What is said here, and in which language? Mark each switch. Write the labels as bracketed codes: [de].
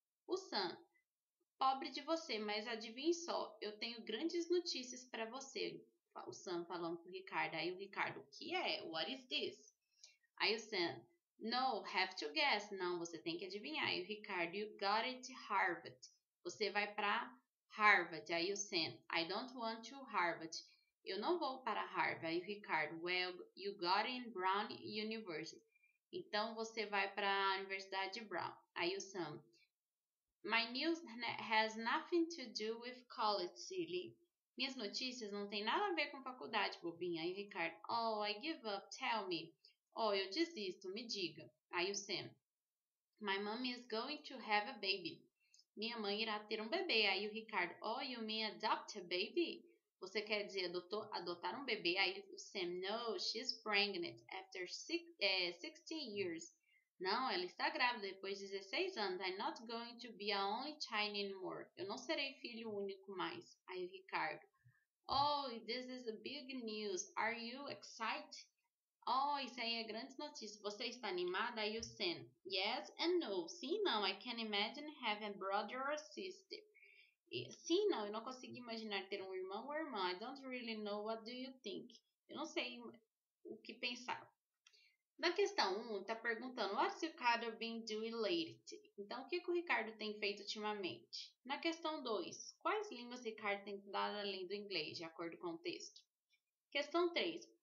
[pt] O Sam: Pobre de você, mas adivinhe só, eu tenho grandes notícias para você. O Sam falando pro Ricardo. Aí o Ricardo: O que é? [en] What is this? Aí o Sam: No, have to guess. [pt] Não, você tem que adivinhar. E o Ricardo: [en] You got it, Harvard. [pt] Você vai para Harvard. Aí o Sam: [en] I don't want to Harvard. [pt] Eu não vou para Harvard. [en] Aí o Ricardo: Well, you got in Brown University. [pt] Então você vai para a Universidade de Brown. [en] Aí o Sam: My news has nothing to do with college, silly. [pt] Minhas notícias não têm nada a ver com faculdade, bobinha. Aí o Ricardo: [en] Oh, I give up, tell me. [pt] Oh, eu desisto, me diga. [en] Aí o Sam: My mommy is going to have a baby. [pt] Minha mãe irá ter um bebê. Aí o Ricardo: [en] Oh, you mean adopt a baby? [pt] Você quer dizer adotar um bebê? [en] Aí o Sam: No, she's pregnant after 16 years. [pt] Não, ela está grávida depois de 16 anos. [en] I'm not going to be a only child anymore. [pt] Eu não serei filho único mais. [en] Aí o Ricardo: Oh, this is a big news. Are you excited? [pt] Oh, isso aí é grande notícia. Você está animada? Aí o Sam: [en] Yes and no. [pt] Sim, não. [en] I can imagine having a brother or sister. [pt] Sim, não. Eu não consigo imaginar ter um irmão ou irmã. [en] I don't really know what do you think. [pt] Eu não sei o que pensar. Na questão 1, está perguntando: [en] What's Ricardo been doing lately? [pt] Então, o que que o Ricardo tem feito ultimamente? Na questão 2, quais línguas Ricardo tem estudado além do inglês, de acordo com o texto? Questão 3.